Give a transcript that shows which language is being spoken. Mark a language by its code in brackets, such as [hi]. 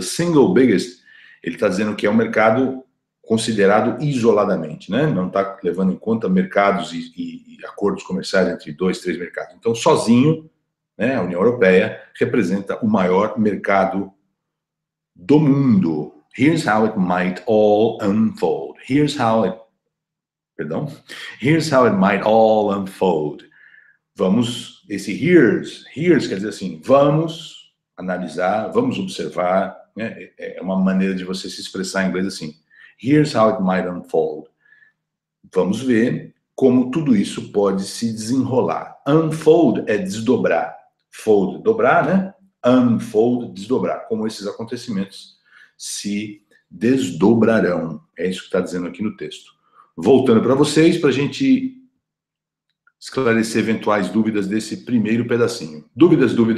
[en] The single biggest, [pt] ele está dizendo que é um mercado considerado isoladamente, né? Não está levando em conta mercados e acordos comerciais entre dois, três mercados. Então, sozinho, né, a União Europeia representa o maior mercado do mundo. [en] Here's how it might all unfold. Here's how it might all unfold. [pt] Vamos, esse here's quer dizer assim, vamos analisar, vamos observar, né? É uma maneira de você se expressar em inglês assim. [en] Here's how it might unfold. [pt] Vamos ver como tudo isso pode se desenrolar. Unfold é desdobrar. Fold, dobrar, né? Unfold, desdobrar. Como esses acontecimentos se desdobrarão. É isso que está dizendo aqui no texto. Voltando para vocês, para a gente esclarecer eventuais dúvidas desse primeiro pedacinho. Dúvidas.